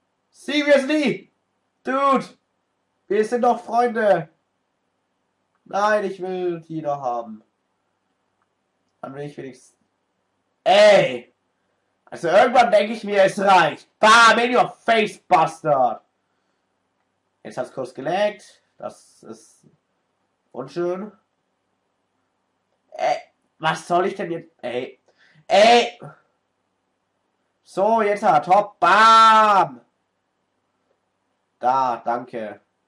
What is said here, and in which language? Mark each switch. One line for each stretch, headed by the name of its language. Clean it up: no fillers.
English: Seriously? Dude!
German: Wir sind doch Freunde! Nein, ich will die noch haben. Dann will ich wenigstens. Ey! Also irgendwann denke ich mir, es reicht.
English: Bam, in your face, Bastard!
German: Jetzt hat's kurz gelaggt. Das ist unschön. Was soll ich denn jetzt? Ey. Ey. So, jetzt hat er top. Bam. Da, danke.